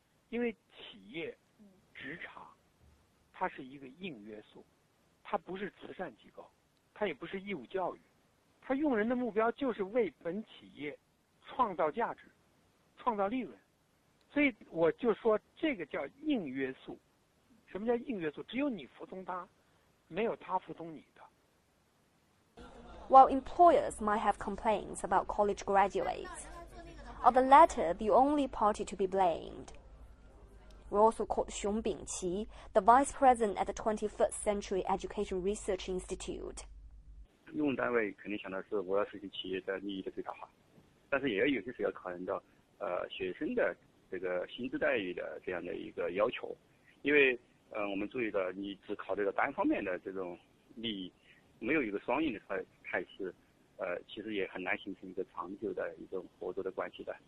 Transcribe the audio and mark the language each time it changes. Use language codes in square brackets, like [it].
[zh] 因为企业、职场，它是一个硬约束，它不是慈善机构，它也不是义务教育，它用人的目标就是为本企业创造价值、创造利润，所以我就说这个叫硬约束。什么叫硬约束？只有你服从他，没有他服从你的。 [en] While employers might have complaints about college graduates, are the latter the only party to be blamed? We also called Xiong Bingqi, the vice president at the 21st Century Education Research Institute. [zh] 用单位肯定想的是我要实现企业的利益的最大化，但是也有些时候考虑到学生的这个薪资待遇的这样的一个要求，因为我们注意到你只考虑到单方面的这种利益，没有一个双赢的态势，其实也很难形成一个长久的一种合作的关系的。